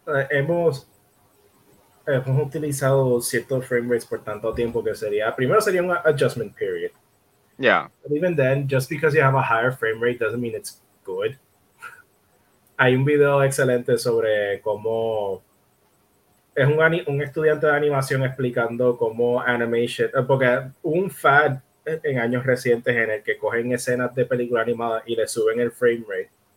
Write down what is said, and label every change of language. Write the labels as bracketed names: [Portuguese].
[Spanish] Hemos utilizado ciertos frame rates por tanto tiempo que sería un adjustment period. [English] Yeah. But even then, just because you have a higher frame rate doesn't mean it's good. [Spanish] Hay un video excelente sobre cómo es un estudiante de animación explicando cómo animation, porque un fad en años recientes en el que cogen escenas de película animada y le suben el frame rate.